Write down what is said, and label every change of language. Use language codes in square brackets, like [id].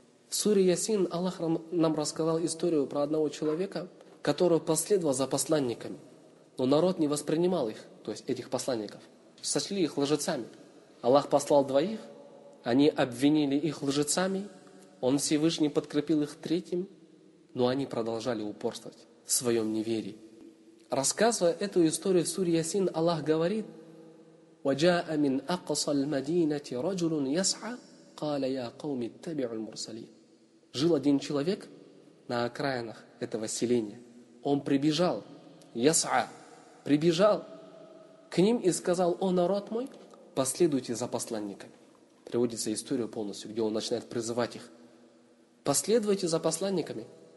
[ru] В суре Ясин Аллах нам рассказал историю про одного человека, который последовал за посланниками, но народ не воспринимал их, то есть этих посланников. Сочли их лжецами. Аллах послал двоих, они обвинили их лжецами, Он Всевышний подкрепил их третьим, но они продолжали упорствовать в своем неверии. Рассказывая эту историю в суре Ясин, Аллах говорит: [ar] وَجَاءَ مِنْ أَقْصَى الْمَدِينَةِ رَجُلٌ يَسْعَى قَالَ يَا قَوْمِ اتَّبِعُوا الْمُرْسَلِينَ. [ru] Жил один человек на окраинах этого селения. Он прибежал, Яс'а, прибежал к ним и сказал: «О народ мой, последуйте за посланниками». Приводится история полностью, где он начинает призывать их. Последуйте за посланниками.